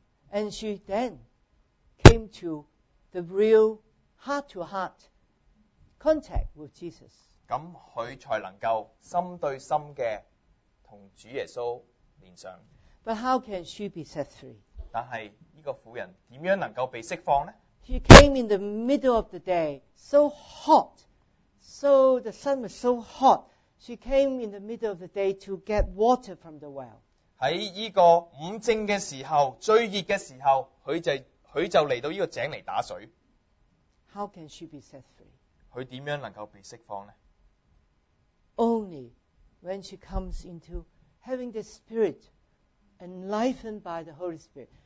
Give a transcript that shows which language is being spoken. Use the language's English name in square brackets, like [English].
[English] And she then came to the real heart-to-heart contact with Jesus. [Chinese] 那他才能够心对心的跟主耶稣连上。 [English] But how can she be set free? [Chinese] 但是这个妇人怎样能够被释放呢? [English] She came in the middle of the day, so hot, so the sun was so hot, she came in the middle of the day to get water from the well. [Chinese] 在这个五正的时候，最热的时候，她就来到这个井里打水。 [English] How can she be set free? [Chinese] 她怎样能够被释放呢? [English] Only when she comes into having the Spirit enlightened by the Holy Spirit.